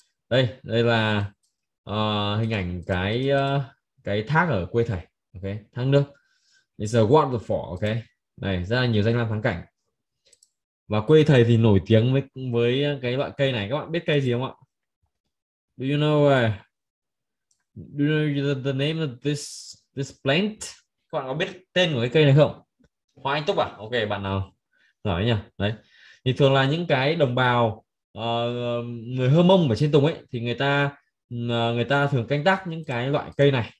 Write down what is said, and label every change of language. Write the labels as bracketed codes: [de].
[vi] Đây, đây là hình ảnh cái thác ở quê thầy. Ok, thác nước. [en] It's a waterfall. [vi] Ok, này rất là nhiều danh lam thắng cảnh. Và quê thầy thì nổi tiếng với cái loại cây này. Các bạn biết cây gì không ạ? [en] Do you know the name of this plant? [vi] Các bạn có biết tên của cái cây này không? Hoa anh túc à? Ok, bạn nào nói nhỉ? Đấy. Thì thường là những cái đồng bào người Hơ Mông ở trên Tùng ấy thì người ta thường canh tác những cái loại cây này.